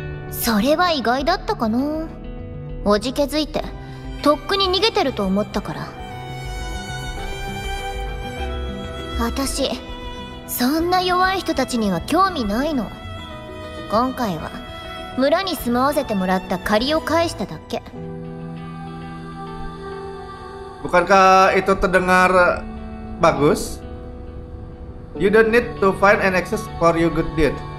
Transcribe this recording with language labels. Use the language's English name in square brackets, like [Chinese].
[Japanese] それは意外だったかな。おじけづいて、とっくに逃げてると思ったから。私 そんな弱い人たちには興味ないの。今回は村に住まわせてもらった借りを返しただけ。 [Indonesian] Bukankah itu terdengar bagus? [English] You don't need to find an excuse for your good deed.